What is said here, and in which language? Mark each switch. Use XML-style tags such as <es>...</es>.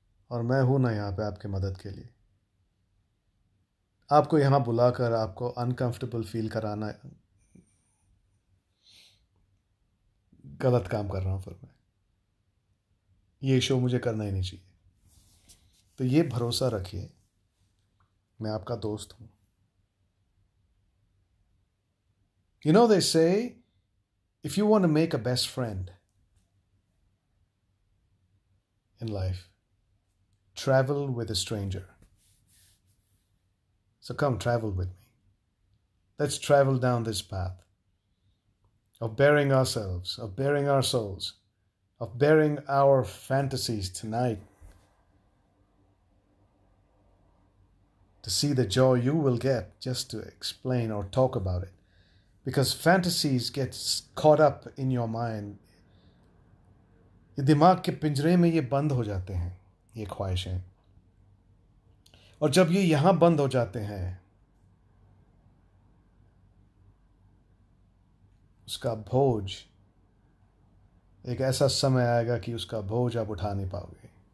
<hi>और मैं हूं ना यहाँ पे आपके मदद के लिए, आपको यहाँ बुलाकर आपको अनकंफर्टेबल फील कराना गलत काम कर रहा हूँ फिर मैं, ये शो मुझे करना ही नहीं चाहिए। तो ये भरोसा रखिए मैं आपका दोस्त हूँ।</hi> <en>You know they say, if you want to make a best friend in life, travel with a stranger. So come travel with me. Let's travel down this path of bearing ourselves, of bearing our souls, of bearing our fantasies tonight to see the joy you will get just to explain or talk about it. Because fantasies get caught up in your mind.</en> <hi>ये दिमाग के पिंजरे में ये बंद हो जाते हैं ये ख्वाहिशें, और जब ये यहां बंद हो जाते हैं उसका भोज, एक ऐसा समय आएगा कि उसका भोज आप उठा नहीं पाओगे।</hi>